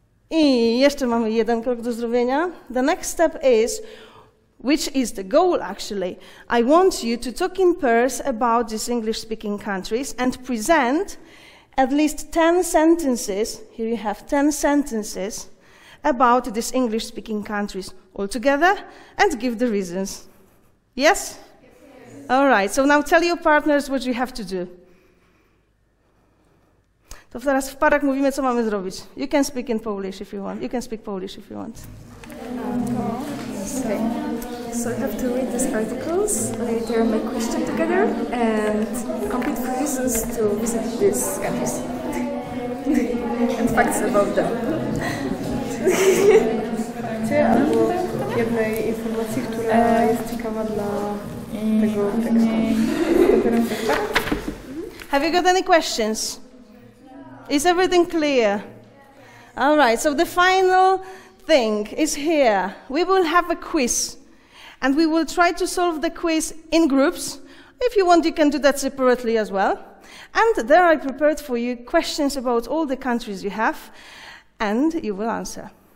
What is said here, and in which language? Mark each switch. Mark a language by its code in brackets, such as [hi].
[pl] I jeszcze mamy jeden krok do zrobienia. [en] The next step is, which is the goal actually, I want you to talk in pairs about these English-speaking countries and present at least 10 sentences, here you have 10 sentences, about these English-speaking countries all together and give the reasons. Yes? All right, so now tell your partners what you have to do. [pl] To teraz w parach mówimy, co mamy zrobić. [en] You can speak in Polish if you want. You can speak Polish if you want. Okay. So I have to read these articles, later my question together, and compete for reasons to visit these countries. And facts about them. [pl] Czy albo jednej informacji, która jest ciekawa dla tego tekstu? [en] Have you got any questions? Is everything clear? All right, so the final thing is here. We will have a quiz, and we will try to solve the quiz in groups. If you want, you can do that separately as well. And there I prepared for you questions about all the countries you have, and you will answer.